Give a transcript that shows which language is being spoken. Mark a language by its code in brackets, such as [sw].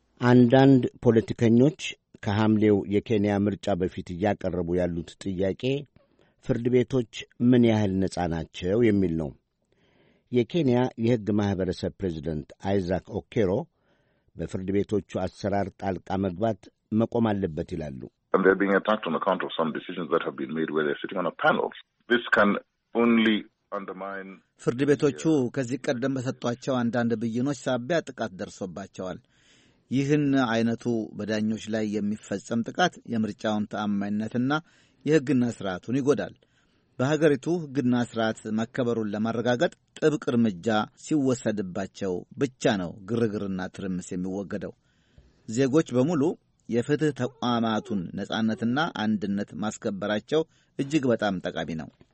[am] አንዳንድ ፖለቲከኞች ከሐምሌው የኬንያ ምርጫ በፊት እያቀረቡ ያሉት ጥያቄ ፍርድ ቤቶች ምን ያህል ነጻ ናቸው የሚል ነው። የኬንያ የሕግ ማኅበረሰብ ፕሬዚደንት አይዛክ ኦኬሮ በፍርድ ቤቶቹ አሰራር ጣልቃ መግባት መቆም አለበት ይላሉ። [en] And they're being attacked on account of some decisions that have been made where they're sitting on a panel. This can only undermine... [am] ፍርድ ቤቶቹ ከዚህ ቀደም በሰጧቸው አንዳንድ ብይኖች ሳቢያ ጥቃት ደርሶባቸዋል። ይህን አይነቱ በዳኞች ላይ የሚፈጸም ጥቃት የምርጫውን ተአማኒነትና የሕግና ስርዓቱን ይጎዳል። በሀገሪቱ ሕግና ስርዓት መከበሩን ለማረጋገጥ ጥብቅ እርምጃ ሲወሰድባቸው ብቻ ነው ግርግርና ትርምስ የሚወገደው። ዜጎች በሙሉ የፍትህ ተቋማቱን ነጻነትና አንድነት ማስከበራቸው እጅግ በጣም ጠቃሚ ነው።